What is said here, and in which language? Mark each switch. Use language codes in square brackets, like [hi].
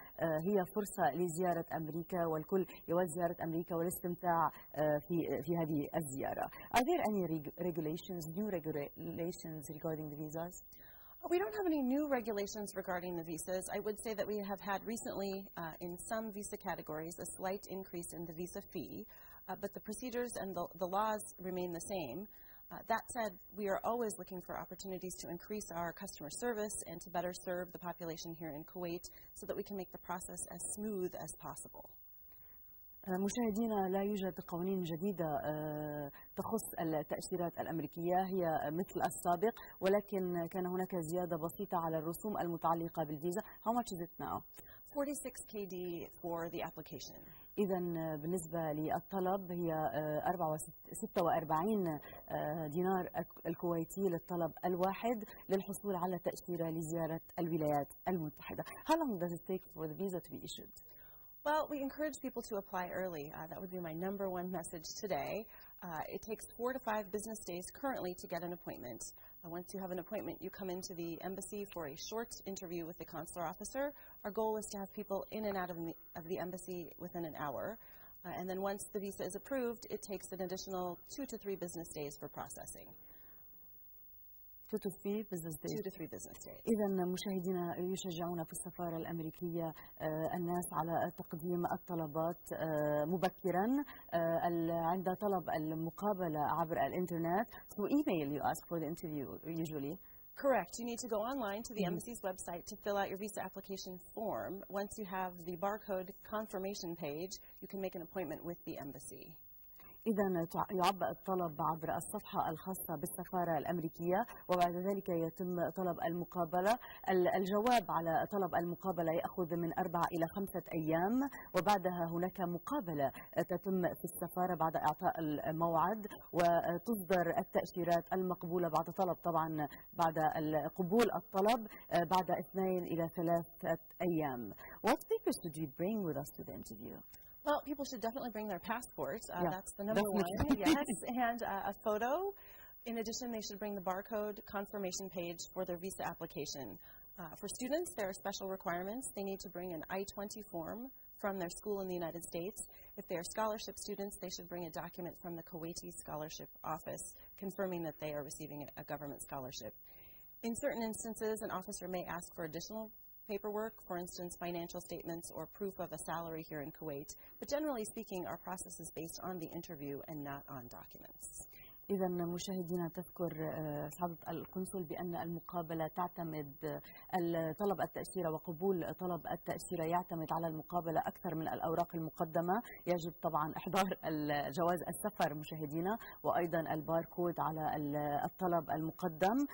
[ar] هي فرصة لزيارة أمريكا، والكل يود زيارة أمريكا والاستمتاع في هذه الزيارة. [en] Are there any regulations, new regulations regarding the visas? We don't have any new regulations regarding the visas. I would say that we have had recently, in some visa categories, a slight increase in the visa fee, but the procedures and the laws remain the same. That said, we are always looking for opportunities to increase our customer service and to better serve the population here in Kuwait so that we can make the process as smooth as possible. [ar] مشاهدينا لا يوجد قوانين جديدة تخص التأشيرات الأمريكية، هي مثل السابق، ولكن كان هناك زيادة بسيطة على الرسوم المتعلقة بالفيزا. [en] How much is it now? 46 KD for the application. [ar] إذا بالنسبة للطلب هي 46 دينار الكويتي للطلب الواحد للحصول على تأشيرة لزيارة الولايات المتحدة. [en] How long does it take for the visa to be issued? Well, we encourage people to apply early. That would be my number one message today. It takes 4 to 5 business days currently to get an appointment. Once you have an appointment, you come into the embassy for a short interview with the consular officer. Our goal is to have people in and out of the embassy within an hour. And then once the visa is approved, it takes an additional 2 to 3 business days for processing. 2 to 3 business days. [ar] إذن مشاهدينا يشجعون في السفارة الأمريكية الناس على تقديم الطلبات مبكرا عند طلب المقابلة عبر الإنترنت. [en] So email you ask for the interview usually. Correct. You need to go online to the embassy's website to fill out your visa application form. Once you have the barcode confirmation page, you can make an appointment with the embassy. [ar] إذا يعبأ الطلب عبر الصفحة الخاصة بالسفارة الأمريكية وبعد ذلك يتم طلب المقابلة. الجواب على طلب المقابلة يأخذ من 4 إلى 5 أيام وبعدها هناك مقابلة تتم في السفارة بعد إعطاء الموعد وتصدر التأشيرات المقبولة بعد طلب طبعا بعد قبول الطلب بعد 2 إلى 3 أيام. [en] What papers did you bring with us to the interview? Well, people should definitely bring their passports. That's the number one. Yes, and a photo. In addition, they should bring the barcode confirmation page for their visa application. For students, there are special requirements. They need to bring an I-20 form from their school in the United States. If they are scholarship students, they should bring a document from the Kuwaiti Scholarship Office confirming that they are receiving a government scholarship. In certain instances, an officer may ask for additional paperwork, for instance, financial statements or proof of a salary here in Kuwait. But generally speaking, our process is based on the interview and not on documents. [ar] إذا مشاهدينا تذكر سعادة القنصل بأن المقابلة تعتمد طلب التأشيرة وقبول طلب التأشيرة يعتمد على المقابلة أكثر من الأوراق المقدمة. يجب طبعا إحضار جواز السفر مشاهدينا وأيضا الباركود على الطلب المقدم.